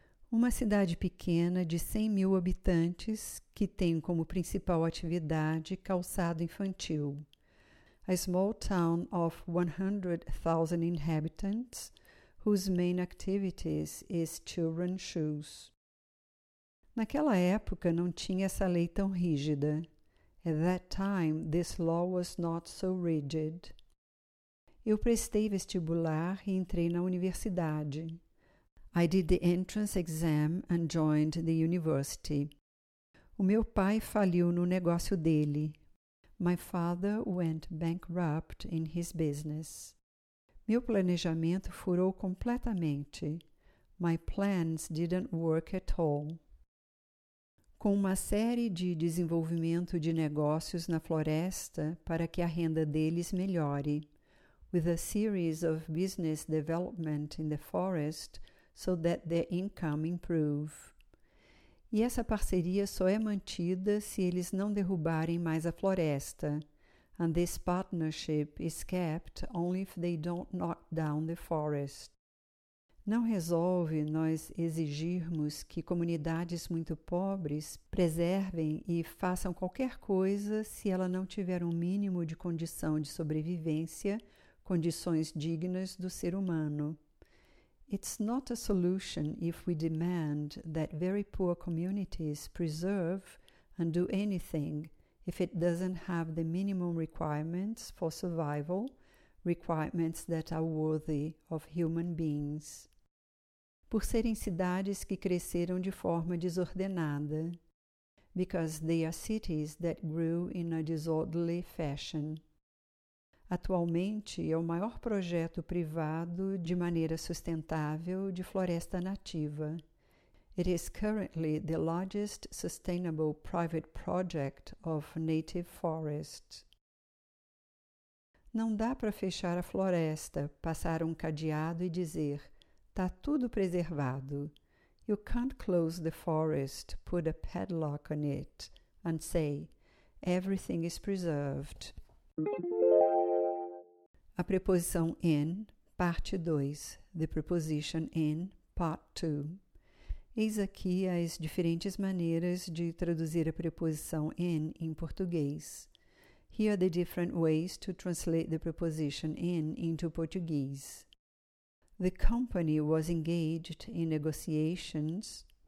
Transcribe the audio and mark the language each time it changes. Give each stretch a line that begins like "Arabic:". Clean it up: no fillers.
Portuguese: Uma cidade pequena de 100 mil habitantes que tem como principal atividade calçado infantil.
English: A small town of 100,000 inhabitants whose main activities is children's shoes.
Portuguese: Naquela época não tinha essa lei tão rígida.
English: At that time, this law was not so rigid.
Portuguese: Eu prestei vestibular e entrei na universidade.
English: I did the entrance exam and joined the university.
Portuguese: O meu pai faliu no negócio dele.
English: My father went bankrupt in his business.
Portuguese: Meu planejamento furou completamente.
English: My plans didn't work at all.
Portuguese: Com uma série de desenvolvimento de negócios na floresta para que a renda deles melhore.
English: With a series of business development in the forest so that their income improve.
Portuguese: E essa parceria só é mantida se eles não derrubarem mais a floresta.
English: And this partnership is kept only if they don't knock down the forest.
Portuguese: Não resolve nós exigirmos que comunidades muito pobres preservem e façam qualquer coisa se ela não tiver um mínimo de condição de sobrevivência, condições dignas do ser humano.
English: It's not a solution if we demand that very poor communities preserve and do anything if it doesn't have the minimum requirements for survival, requirements that are worthy of human beings.
Portuguese: Por serem cidades que cresceram de forma desordenada,
English: because they are cities that grew in a disorderly fashion.
Portuguese: Atualmente, é o maior projeto privado de maneira sustentável de floresta nativa.
English: It is currently the largest sustainable private project of native forest.
Portuguese: Não dá para fechar a floresta, passar um cadeado e dizer, tá tudo preservado.
English: You can't close the forest, put a padlock on it, and say, everything is preserved.
Portuguese: A preposição in, parte 2.
English: The preposition in, part 2.
Portuguese: Eis aqui as diferentes maneiras de traduzir a preposição in português.
English: Here are the different ways to translate the preposition in into Portuguese. The company was engaged in negotiations.